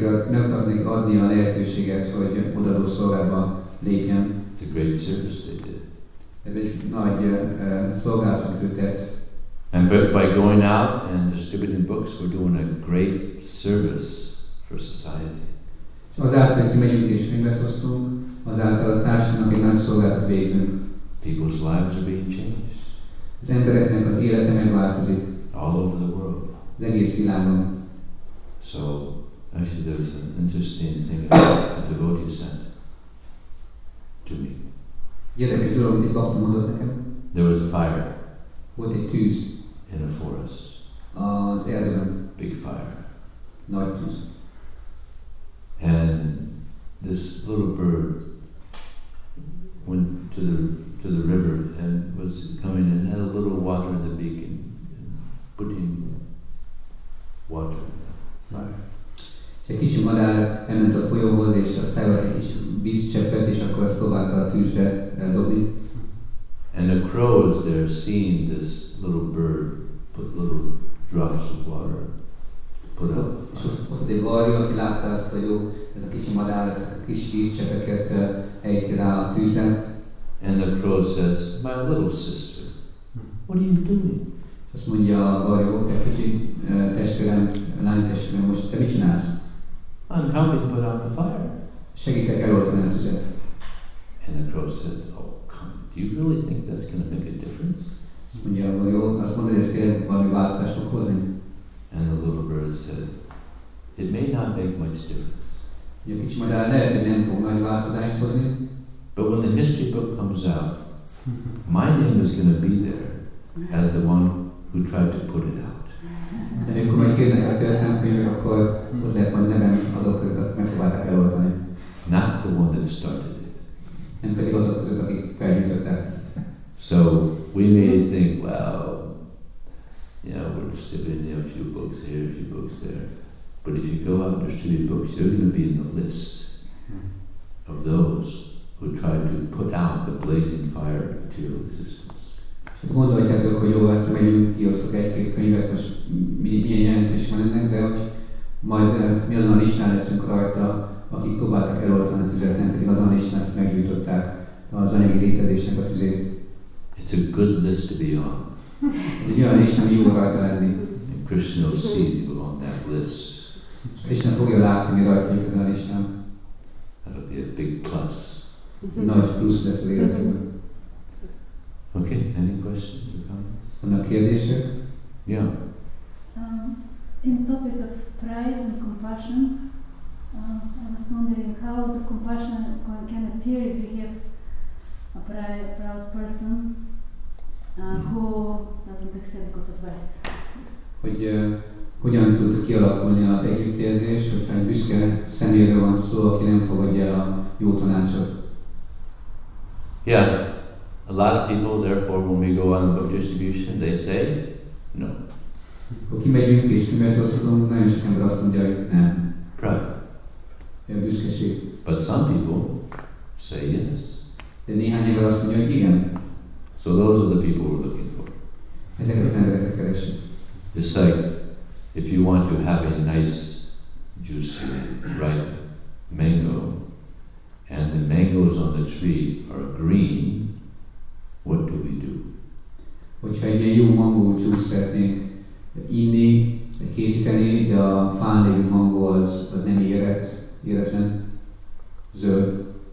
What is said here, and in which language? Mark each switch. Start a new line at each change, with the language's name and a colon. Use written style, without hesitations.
Hungarian: Ne akarnék adni a lehetőséget, hogy odaadó szolgálatba lépjen.
English: It's a great service they did.
Hungarian: Ez egy nagy szolgálatot tett.
English: And by going out and distributing books, we're doing a great service for society.
Hungarian: Azáltal, hogy kimegyünk és könyvet osztunk, azáltal a társadalomnak egy nagy szolgálatot végzünk.
English: People's lives are being changed.
Hungarian: Az embereknek az élete megváltozik.
English: All over the world.
Hungarian: Az egész világon.
English: So, actually, there was an interesting thing about a devotee sent to me.
Hungarian: Gyerekes dolog, amit egy baktam mondott nekem.
English: There was a fire.
Hungarian: Volt egy tűz.
English: In a forest.
Hungarian: Az erdőben.
English: Big fire.
Hungarian: Nagy tűz.
English: And this little bird went to the river and was coming and had a little water in the beak and putting water in the fire.
Hungarian: És egy kicsi madár elment a folyóhoz, és a szájával egy kis vízcseppet, és akkor azt próbálta a tűzre dobni.
English: And the crows there seeing this little bird put little drops of water put up.
Hungarian: És ott egy varjú, aki látta azt, hogy jó, ez a kicsi madár, ez a kis vízcseppeket ejti rá a tűzre.
English: And the crow says, my little sister, what are you doing?
Hungarian: És azt mondja a varjú, te kicsi testvérem, lány testvérem, most te mit csinálsz?
English: I'm helping to put out the fire.
Hungarian: Segítek eloltani a tüzet.
English: And the crow said, oh, come, do you really think that's going to make a difference? And the little bird said, it may not make much difference. But when the history book comes out, my name is going to be there as the one who tried to put it out.
Hungarian: De amikor majd kérnek a történelemkönyvek, akkor ott lesz majd nevem azok között, akik megpróbálták eloltani.
English: Not the one that started it.
Hungarian: Nem pedig azok között, akik felgyújtották.
English: So we may think, well, you know, we're distributing a few books here, a few books there. But if you go out and distribute books, you're going to be in the list of those who try to put out the blazing fire of material existence.
Hungarian: Gondolhatjátok, hogy jó, hát megyünk ki, osztok egy-két könyvet, most milyen jelentés van ennek, de hogy majd mi azon a listán leszünk rajta, akik próbáltak eloltani a tüzet, nem pedig azon is, mert meggyújtották az anyagi létezésnek a tüzét.
English: It's a good list to be on.
Hungarian: Ez egy olyan list, ami jó rajta lenni.
English: And Krishna will see you on that list.
Hungarian: Krishna fogja látni, mi rajta lenni ezen a listán.
English: That'll be a big plus.
Hungarian: Nagy plusz lesz az életemben.
English: Okay, any questions or comments?
Hungarian: Vannak kérdések?
English: Yeah. In topic of pride and compassion, I was wondering how the compassion can appear if you have a proud person who doesn't accept good advice.
Hungarian: Hogy hogyan tud kialakulni az együttérzés, hogy egy büszke személyről van szó, aki nem fogadja a jó tanácsot?
English: Yeah, a lot of people, therefore, when we go on book distribution, they say no.
Hungarian: Ha kimegyünk és kimegyőzhetünk, nagyon sok ember azt mondja, hogy nem.
English: Pride.
Hungarian: Ja, büszkeség.
English: But some people say yes.
Hungarian: De néhány ember azt mondja, hogy igen.
English: So those are the people we're looking for.
Hungarian: Ezeket az embereket keresünk.
English: It's like, if you want to have a nice, juicy, ripe mango, and the mangoes on the tree are green, what do we do?
Hungarian: Hogyha egy jó mangó juice szeretnénk inni, készíteni, de a fán lévő mangó az nem éretlen, zöld.